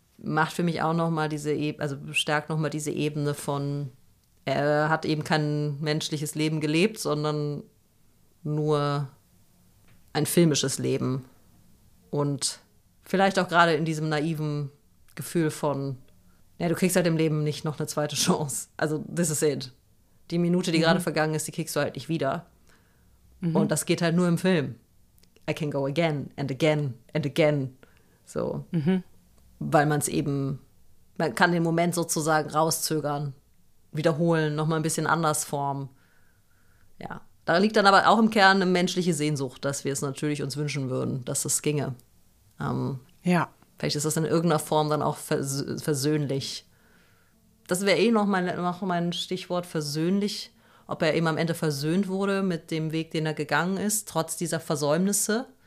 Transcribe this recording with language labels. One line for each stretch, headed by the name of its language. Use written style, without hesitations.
German: Macht für mich auch nochmal diese Ebene, also stärkt nochmal diese Ebene von, er hat eben kein menschliches Leben gelebt, sondern nur ein filmisches Leben. Und vielleicht auch gerade in diesem naiven Gefühl von, ja, du kriegst halt im Leben nicht noch eine zweite Chance. Also,
English: this is it.
German: Die Minute, die gerade vergangen ist, die kriegst du halt nicht wieder. Mhm. Und das geht halt nur im Film.
English: I can go again and again and again.
German: So. Mhm. Weil man es eben, man kann den Moment sozusagen rauszögern, wiederholen, nochmal ein bisschen anders formen. Ja. Da liegt dann aber auch im Kern eine menschliche Sehnsucht, dass wir es natürlich uns wünschen würden, dass das ginge. Ja. Vielleicht ist das in irgendeiner Form dann auch versöhnlich. Das wäre eh noch mein Stichwort versöhnlich, ob er eben am Ende versöhnt wurde mit dem Weg, den er gegangen ist, trotz dieser Versäumnisse.